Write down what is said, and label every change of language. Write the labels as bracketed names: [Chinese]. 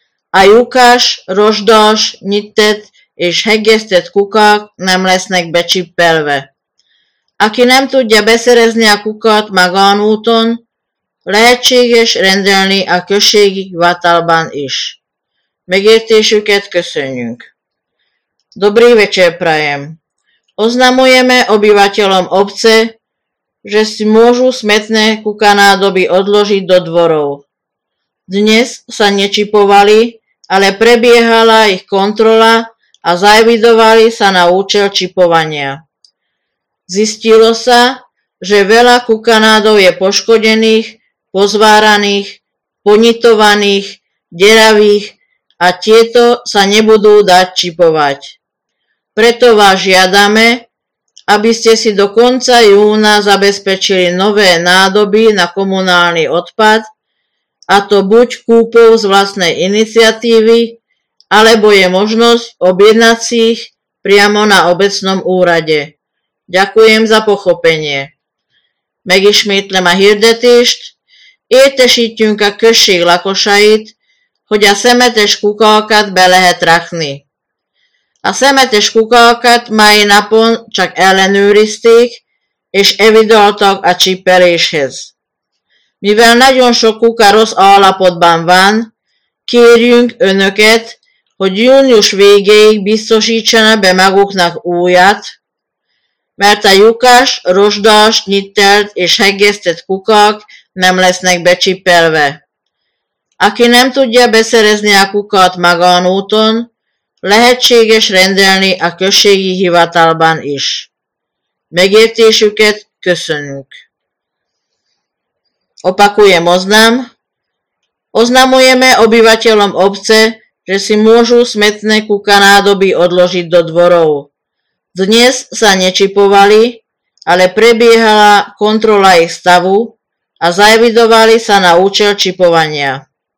[Hungarian] A lyukas, rozsdás, nyitett és hegesztett kukák nem lesznek becsippelve. Aki nem tudja beszerezni a kukát magánúton, lehetséges rendelni a községi hivatalban is. Megértésüket köszönjük. [Slovak] Dobrý večer prajem. Oznamujeme obyvateľom obce, že si môžu smetné kukanádoby odložiť do dvorov. Dnes sa nečipovali, ale prebiehala ich kontrola a zaevidovali sa na účel čipovania. Zistilo sa, že veľa kukanádov je poškodených, pozváraných, ponitovaných, deravých a tieto sa nebudú dať čipovať. Preto vás žiadame, aby ste si do konca júna zabezpečili nové nádoby na komunálny odpad, a to buď kúpou z vlastnej iniciatívy, alebo je možnosť objednať si ich priamo na obecnom úrade. Ďakujem za pochopenie. [Hungarian] Megismétlem a hirdetést, értesítjünk a község lakosait, hogy a szemetes kukákat be lehet rakni. A szemetes kukákat mai napon csak ellenőrizték, és evidáltak a csipeléshez. Mivel nagyon sok kuka rossz állapotban van, kérjünk Önöket, hogy június végéig biztosítsanak be maguknak újat, mert a lyukas, rozsdás, nyittelt és hegesztett kukák nem lesznek becsipelve. Aki nem tudja beszerezni a kukát magánúton, lehetséges rendelni a községi hivatalban is. Megértésüket köszönjük. [Slovak] Opakujem oznam. Oznamujeme obyvateľom obce, že si môžu smetné kukanádoby odložiť do dvorov. Dnes sa nečipovali, ale prebiehala kontrola ich stavu a zaevidovali sa na účel čipovania.